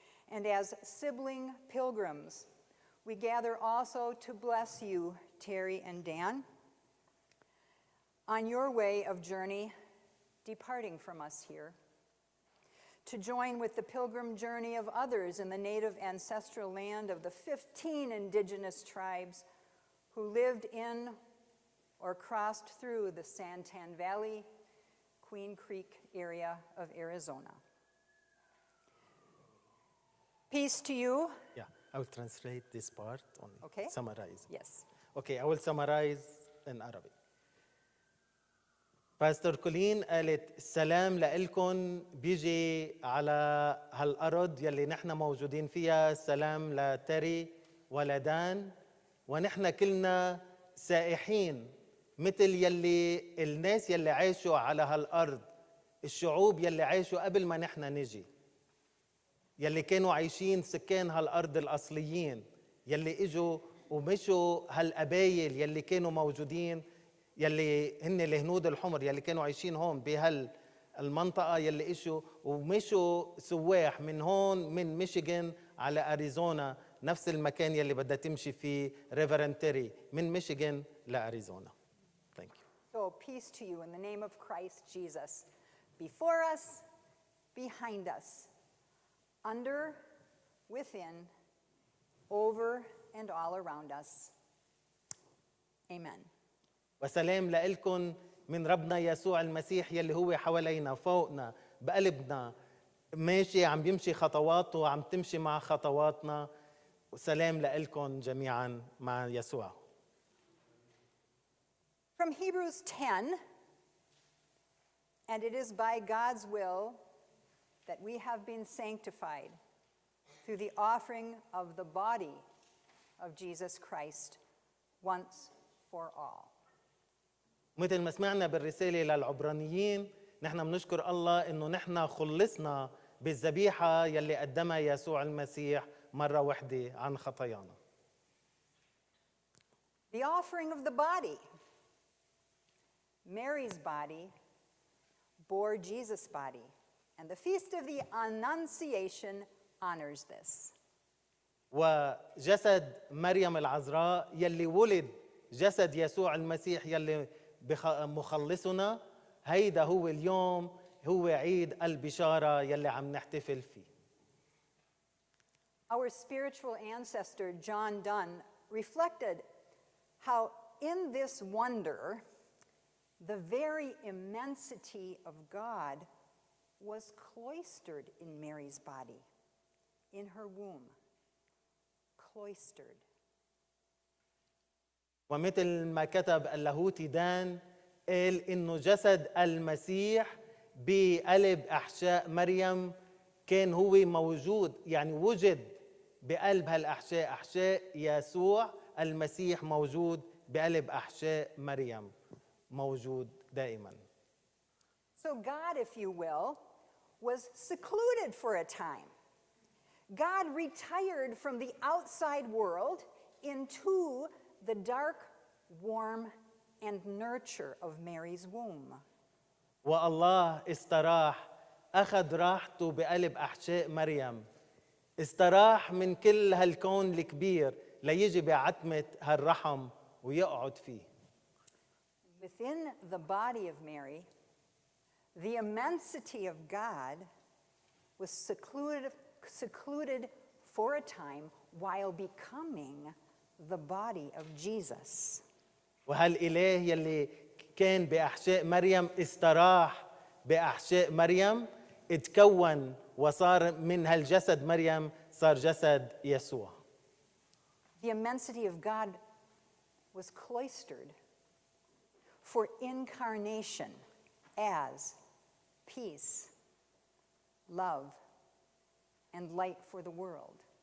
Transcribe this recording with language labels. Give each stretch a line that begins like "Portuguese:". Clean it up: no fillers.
English: And as sibling pilgrims, we gather also to bless you, Terri and Dan, on your way of journey, departing from us here, to join with the pilgrim journey of others in the native ancestral land of the 15 indigenous tribes who lived in or crossed through the Santan Valley, Queen Creek area of Arizona. Peace to you. Yeah, I will translate this part only. Okay. Summarize. Yes. Okay, I will summarize in Arabic.
Arabic: Pastor Colleen قالت السلام لإلكن بيجي على هالأرض يلي نحن موجودين فيها, سلام لتري ولدان, ونحن كلنا سائحين مثل يلي الناس يلي عايشوا على هالأرض, الشعوب يلي عايشوا قبل ما نحن نجي, يلي كانوا عايشين سكان هالأرض الأصليين, يلي إجوا ومشوا هالقبائل يلي كانوا موجودين, يلي هن الهنود الحمر يلي كانوا عايشين هون بهال المنطقة يلي إشوا ومشوا سواح من هون من ميشيغان على أريزونا نفس المكان يلي بدها تمشي فيه ريفرن تيري من ميشيغان لأريزونا.
English: Thank you. So peace to you in the name of Christ Jesus. Before us, behind us, under, within, over, and all around us. Amen.
Arabic: وسلام لإلكن من ربنا يسوع المسيح يلي هو حوالينا فوقنا بقلبنا ماشي عم بيمشي خطواته وعم تمشي مع خطواتنا وسلام لإلكن جميعا مع يسوع.
English: From Hebrews 10, and it is by God's will that we have been sanctified through the offering of the body of Jesus Christ once for all.
Arabic: مثل ما سمعنا بالرسالة للعبرانيين نحن منشكر الله إنه نحن خلصنا بالذبيحة يلي قدمها يسوع المسيح مرة واحدة عن خطايانا.
English: The offering of the body. Mary's body bore Jesus' body. And the Feast of the Annunciation honors this.
Arabic: وجسد مريم العذراء يلي ولد جسد يسوع المسيح يلي مخلصنا هيدا هو اليوم هو عيد البشارة يلي عم نحتفل فيه.
English: Our spiritual ancestor John Donne reflected how in this wonder the very immensity of God was cloistered in Mary's body, in her womb, cloistered.
Arabic: ومثل ما كتب اللاهوتي دان قال إنه جسد المسيح بقلب أحشاء مريم كان هو موجود يعني وجد بقلب هالأحشاء أحشاء يسوع المسيح موجود بقلب أحشاء مريم موجود دائما.
English: So God, if you will, was secluded for a time. God retired from the outside world into the dark warm and nurture of Mary's womb.
Arabic: والله استراح أخذ راحته بقلب أحشاء مريم استراح من كل هالكون الكبير ليجي بعتمة هالرحم ويقعد فيه.
English: Within the body of Mary, the immensity of God was secluded for a time while becoming the body of Jesus.
Arabic: وهالإله يلي كان بأحشاء مريم استراح بأحشاء مريم اتكون وصار من هالجسد مريم صار جسد يسوع.
English: The immensity of God was cloistered for incarnation as peace, love, and light for the world.